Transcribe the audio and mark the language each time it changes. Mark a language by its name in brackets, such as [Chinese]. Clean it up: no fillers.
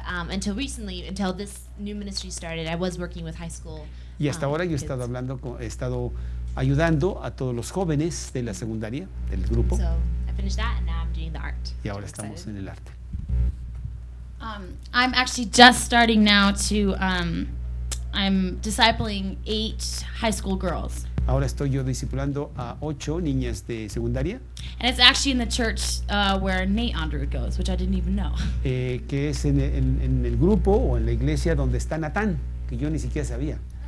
[English] Until recently, until this new ministry started, I was working with high school. [Spanish] Y hasta ahora yo he estado ayudando a todos los jóvenes de la secundaria del grupo. [English] So I finished that, and now I'm doing the art. [Spanish] Y ahora estamos en el arte. [English] I'm actually just starting now to I'm discipling 8 high school girls. [Spanish] Ahora estoy yo discipulando a 8 niñas de secundaria. [English] And it's actually in the church where Nate Andrew goes, which I didn't even know. [Spanish] Que es en el grupo o en la iglesia donde está Nathan, que yo ni siquiera sabía.